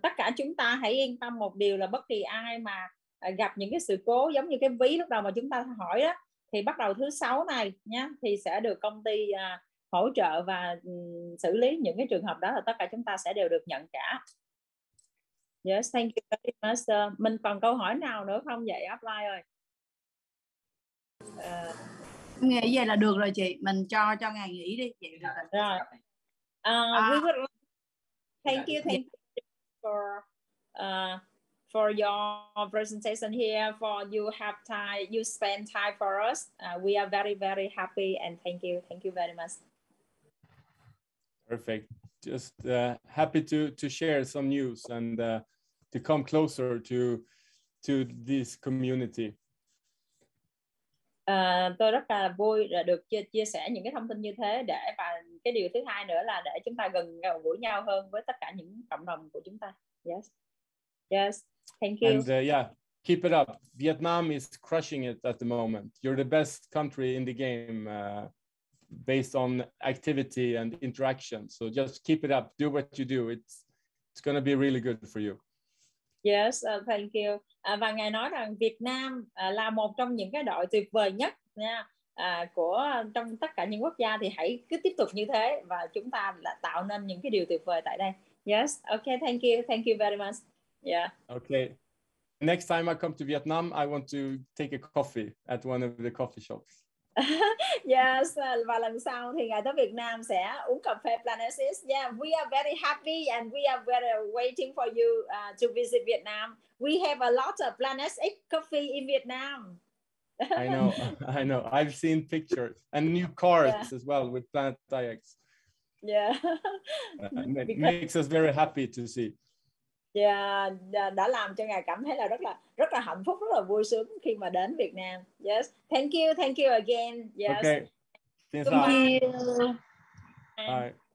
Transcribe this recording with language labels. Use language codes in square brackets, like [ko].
[vi] Tất cả chúng ta hãy yên tâm một điều là bất kỳ ai mà gặp những cái sự cố giống như cái ví lúc đầu mà chúng ta hỏi đó, thì bắt đầu thứ sáu này nhá, thì sẽ được công ty hỗ trợ và xử lý những cái trường hợp đó, là tất cả chúng ta sẽ đều được nhận cả. [en] Yes, thank you very much. [vi] Mình còn câu hỏi nào nữa không vậy offline ơi? Nghĩ vậy là được rồi chị, mình cho ngày nghỉ đi chị. Rồi. [en] Thank you, thank you for your presentation here, for you have time, you spend time for us. We are very, very happy and thank you very much. Perfect. Just happy to share some news and to come closer to this community. [vi] Tôi rất là vui là được chia sẻ những cái thông tin như thế, để và cái điều thứ hai nữa là để chúng ta gần gũi nhau hơn với tất cả những cộng đồng của chúng ta. [en] Yes, thank you. And yeah, keep it up. Vietnam is crushing it at the moment. You're the best country in the game based on activity and interaction. So just keep it up. Do what you do. It's going to be really good for you. Yes, thank you. [vi] Và ngài nói rằng Việt Nam là một trong những cái đội tuyệt vời nhất nha, của trong tất cả những quốc gia, thì hãy cứ tiếp tục như thế và chúng ta là tạo nên những cái điều tuyệt vời tại đây. Yes, okay, thank you very much. Yeah. [en] Okay. Next time I come to Vietnam, I want to take a coffee at one of the coffee shops. [vi] Yes, và lần sau thì ngài tới Việt Nam sẽ uống cà phê Planesis. [en] Yeah, we are very happy and we are very waiting for you to visit Vietnam. We have a lot of Planesis coffee in Vietnam. I know. I've seen pictures and new cars, yeah, as well with Planet IX. Yeah. makes us very happy to see. [vi] Yeah, đã làm cho ngài cảm thấy là rất là hạnh phúc, rất là vui sướng khi mà đến Việt Nam. [en] Yes, thank you again. Yes. Okay. Thank you. Bye.